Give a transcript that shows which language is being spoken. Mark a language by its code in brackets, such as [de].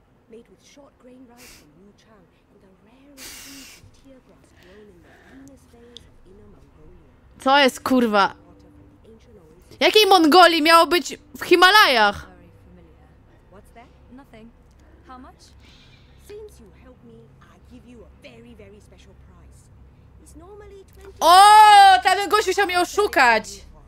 [en] Made with short grain rice from Yuchang and the rarest seeds of tear grass grown in the finest veins of Inner Mongolia. [pl] Co jest kurwa? Jakiej Mongolii miało być w Himalajach? [en] What's that? Nothing. How much? Since you helped me, I give you a very, very special price. It's normally 20. [pl] O, ten gość musiał mnie oszukać.